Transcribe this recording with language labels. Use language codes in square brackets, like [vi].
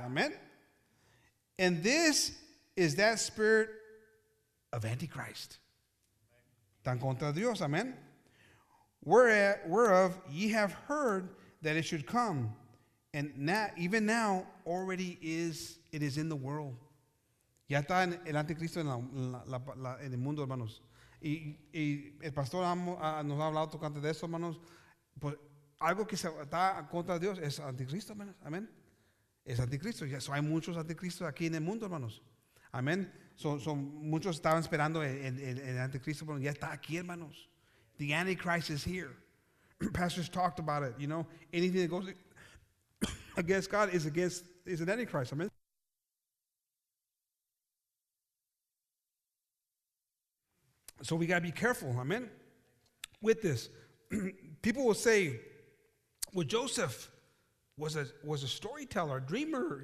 [en] Amen? And this is that spirit of Antichrist. [es] Tan contra Dios. [en] Amen? Whereof ye have heard that it should come, and now, even now already is, it is in the world. [es] Ya está en el Anticristo en el mundo, hermanos. Y el pastor nos ha hablado tocante de esto, hermanos. Pues algo que está contra Dios es anticristo, hermanos. Amén. Es anticristo. So, hay muchos anticristos aquí en el mundo, hermanos. Amén. Muchos estaban esperando el anticristo, pero ya está aquí, hermanos. [en] The Antichrist is here. Pastors talked about it. You know, anything that goes against God is an Antichrist. Amén. So we got to be careful, amen, with this. People will say, well, Joseph was a storyteller, a dreamer.